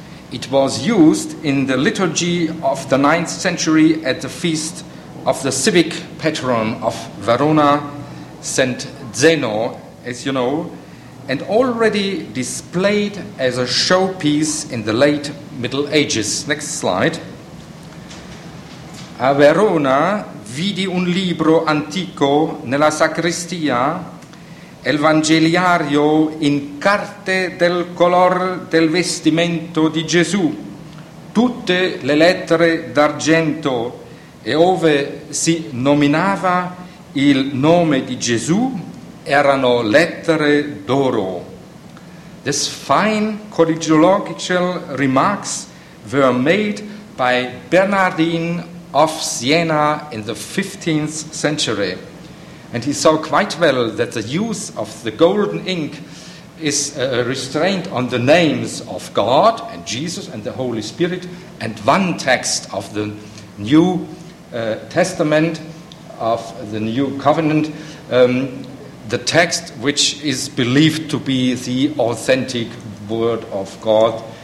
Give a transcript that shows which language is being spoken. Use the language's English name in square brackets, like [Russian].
[English] It was used in the liturgy of the 9th century at the feast of the civic patron of Verona, Saint Zeno, as you know, and already displayed as a showpiece in the late Middle Ages. Next slide. [Italian] A Verona vidi un libro antico nella sacristia, evangeliario in carte del color del vestimento di Gesù, tutte le lettere d'argento, e ove si nominava il nome di Gesù, erano lettere d'oro. [English] This fine codicological remarks were made by Bernardine of Siena in the 15th century. And he saw quite well that the use of the golden ink is restrained on the names of God and Jesus and the Holy Spirit and one text of the New Testament, of the New Covenant, the text which is believed to be the authentic Word of God.